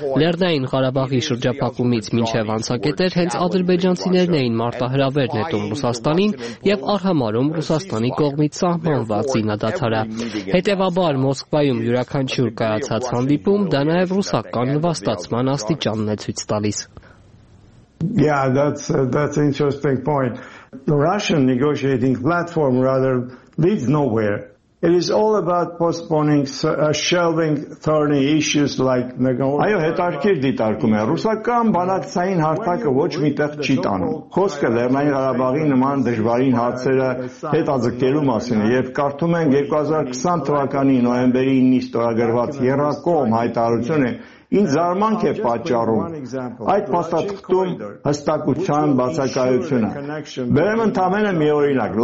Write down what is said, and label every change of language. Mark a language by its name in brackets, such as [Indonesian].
[Armenian] Լեռնային Ղարաբաղի շրջափակումից մինչև անցակետեր հենց ադրբեջանցիներն էին մարտահրավեր նետում Ռուսաստանի և արհամարում Ռուսաստանի կողմից սահմանված զինադադարը։ Հետևաբար Մոսկվայում յուրաքանչյուր կայացած հանդիպում դա նաև ռուսական նվաստացման աստիճանն է ցույց տալիս։ [English] Yeah, that's an interesting point. The Russian negotiating platform rather leads nowhere. It is all about postponing, shelving thorny issues like Nagorno-Karabakh. [Armenian] Այո, հետաքրքիր դիտարկում է, ռուսական բանակցային հարթակը ոչ մի տեղ չի տանում։ Խոսքը Լեռնային Ղարաբաղի նման դժվարին հարցերը հետաձգելու մասին է, եւ կարդում ենք 2020 թվականի նոյեմբերի 9-ի ստորագրված Եռակողմ հայտարարությունը, ինչ զարմանք է պատճառում այդ փաստաթղթում հստակության բացակայությունը։ Բերեմ ընդամենը մի օրինակ.